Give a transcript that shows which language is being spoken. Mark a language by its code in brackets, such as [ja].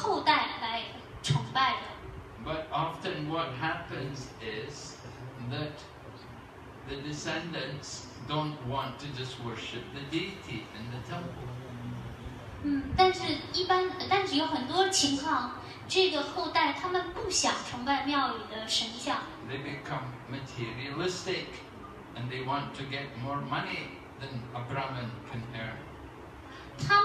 [zh] 这个神像至今仍然由这个家族的后代来崇拜的。 [en] But often what happens is that the descendants don't want to just worship the deity in the temple. [zh] 但是有很多情况，这个后代他们不想崇拜庙宇的神像。 [en] They become materialistic, and they want to get more money than a Brahmin can earn.